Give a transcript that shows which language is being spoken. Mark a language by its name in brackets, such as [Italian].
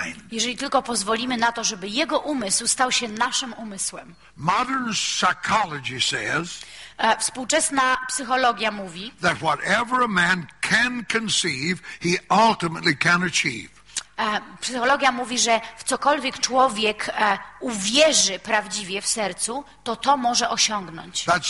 [Polish] Jeżeli tylko pozwolimy na to, żeby jego umysł stał się naszym umysłem. [English] Modern psychology says, [Polish] współczesna psychologia mówi, [English] that whatever a man can conceive, he ultimately can achieve. [Polish] Psychologia mówi, że w cokolwiek człowiek uwierzy prawdziwie w sercu, to to może osiągnąć.